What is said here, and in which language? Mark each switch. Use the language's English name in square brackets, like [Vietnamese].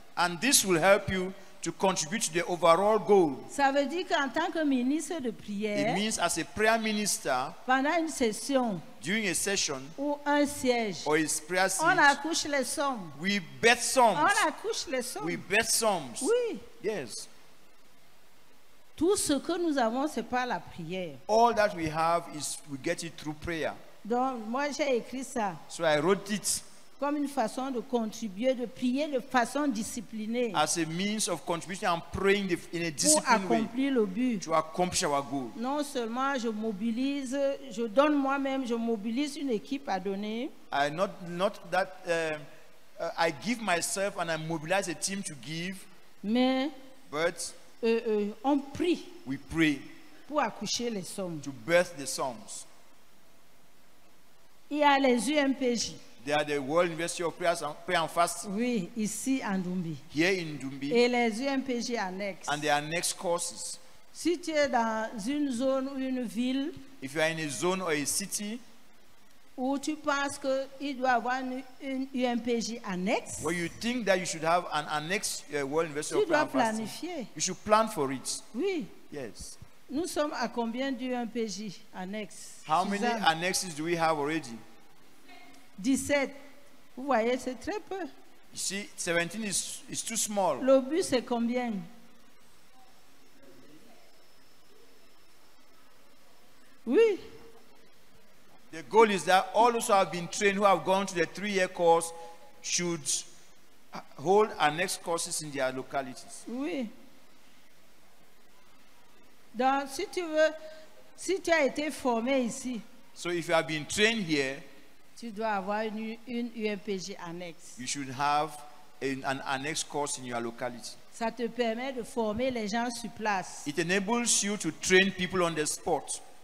[English] And this will help you to contribute to the overall goal. [French] Ça veut dire qu'en tant que ministre de prière, [English] it means as a prayer minister, [French] pendant une session, [English] during a session, [French] ou un siège, [English] or a prayer siege, [French] on accouche les sommes. [English] We bet sums. [French] On accouche les sommes. [English] We bet sums. [French] Oui. [English] Yes. [French] Tout ce que nous avons, c'est par la prière. [English] All that we have is we get it through prayer. [French] Donc, moi, j'ai écrit ça. [English] So I wrote it. [French] Comme une façon de contribuer, de prier de façon disciplinée. [English] As a means of contribution and praying in a disciplined way. [French] Pour accomplir le but. [English] To accomplish our goal. [French] Non seulement je mobilise, je donne moi-même, je mobilise une équipe à donner. [English] I give myself and I mobilize a team to give. [French] Mais. [English] But. [French] On prie. [English] We pray. [French] Pour accoucher les sommes. [English] To birth the sums. [French] Il y a les UMPJ. [English] They are the World University of Prayer and Fasting. [French] Oui, ici en Ndoumbi. [English] Here in Ndoumbi. [French] Et les UMPJ annexes. [English] And their annexes courses. [French] Si tu es dans une zone ou une ville. [English] If you are in a zone or a city. [French] Où tu penses qu'il doit avoir une UMPJ annexe. [English] Where you think that you should have an annexe World University of Prayer and Fasting. [French] Tu dois planifier. [English] You should plan for it. [French] Oui. [English] Yes. [French] Nous sommes à combien d'UMPJ annexes? [English] How many annexes do we have already? [French] 17. Vous voyez, c'est très peu. [English] You see, 17 is too small. [French] Le but, c'est combien? Oui. Oui. [English] The goal is that all those who have been trained, who have gone to the three-year course, should hold our next courses in their localities. [French] Oui. Donc, si tu veux, si tu as été formé ici, [English] so if you have been trained here, [French] tu dois avoir une UMPG annexe. [English] You should have an annex course in your locality. [French] Ça te permet de former les gens sur place. [English] It enables you to train people on the spot.